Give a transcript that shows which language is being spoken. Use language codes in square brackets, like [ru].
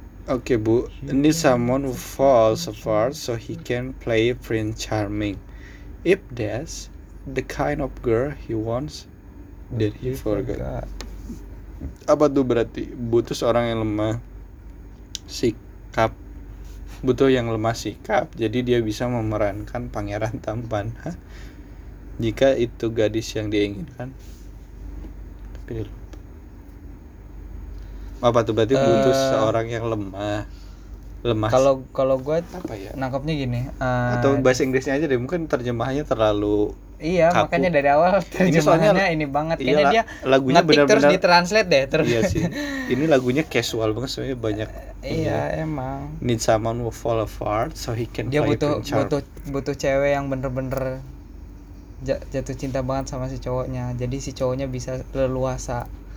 [en] Okay, Bu, need someone who falls apart so he can play Prince Charming. If that's the kind of girl he wants, then he forgot. [id] Apa tuh berarti? Butuh seorang yang lemah sikap, butuh yang lemah sikap, jadi dia bisa memerankan pangeran tampan. Hah? Jika itu gadis yang diinginkan. Apa tuh berarti butuh seorang yang lemah? Lemah. Kalau gue apa ya? Nangkapnya gini. Atau bahasa Inggrisnya aja deh, mungkin terjemahannya terlalu. Iya, kaku. Makanya dari awal terjemahannya ini banget. Kayaknya dia lagunya benar-benar terus ditranslate deh terus. Iya sih. Ini lagunya casual banget sebenarnya, banyak. Iya, emang. [en] Need someone who fall apart so he can. [id] Dia butuh cewek yang bener-bener jatuh cinta banget sama si cowoknya. Jadi si cowoknya bisa leluasa.